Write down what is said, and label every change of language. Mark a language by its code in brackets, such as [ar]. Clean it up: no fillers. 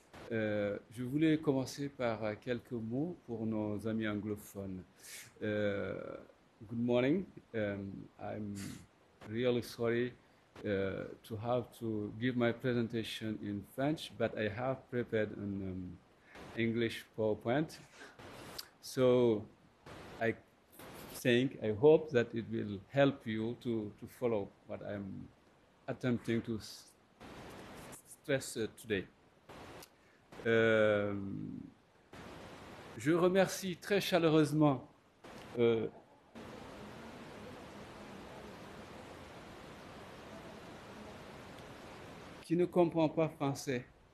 [fr] Je voulais commencer par quelques mots pour nos amis anglophones. [en] Good morning. I'm really sorry to have to give my presentation in French, but I have prepared an English PowerPoint. So I think, I hope that it will help you to follow what I'm attempting to stress today. [fr] Je remercie très chaleureusement qui ne comprend pas français.